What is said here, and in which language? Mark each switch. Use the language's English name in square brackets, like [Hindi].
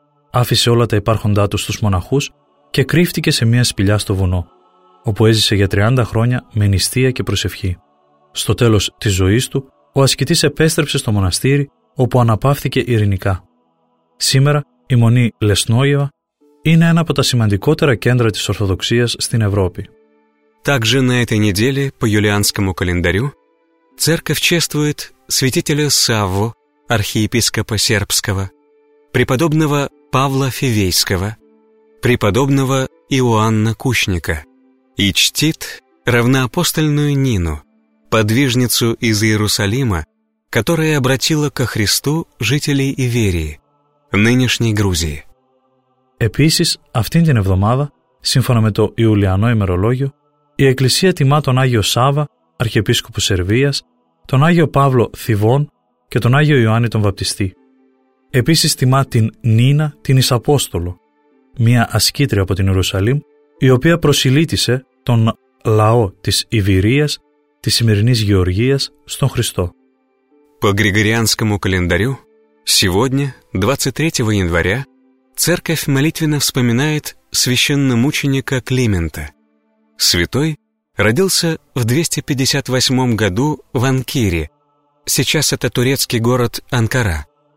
[Greek] Άφησε όλα τα υπάρχοντά του στους μοναχούς και κρύφτηκε σε μια σπηλιά στο βουνό, όπου έζησε για 30 χρόνια με νηστεία και προσευχή. Στο τέλος της ζωής του, ο ασκητής επέστρεψε στο μοναστήρι, όπου αναπαύθηκε ειρηνικά. Σήμερα, η μονή Λεσνόιεβα είναι ένα από τα σημαντικότερα κέντρα της Ορθοδοξίας στην Ευρώπη. [Russian] Также на этой неделе по юлианскому календарю церковь чествует святителя Савву, архиепископа сербского, преподобного Павла Фивейского, преподобного Иоанна Кучника и чтит равноапостольную Нину, подвижницу из Иерусалима, которая обратила ко Христу жителей Иверии, нынешней Грузии. [Greek] Επίσης, αυτήν την εβδομάδα, σύμφωνα με το Ιουλιανό ημερολόγιο, η Εκκλησία τιμά τον Άγιο Σάβα, Αρχιεπίσκοπο Σερβίας, τον Άγιο Παύλο Θιβών και τον Άγιο Ιωάννη τον Βαπτιστή. Επίσης τιμά την Νίνα, την Ισαπόστολο, μία ασκήτρια από την Ιερουσαλήμ, η οποία προσιλήτησε τον λαό της Ιβηρίας, της σημερινής Γεωργίας, στον Χριστό. [Russian] По Григорианскому календарю, сегодня, 23 января, Церковь молитвенно вспоминает священномученика Климента. Святой родился в 258 году в Анкире, сейчас это турецкий город Анкара.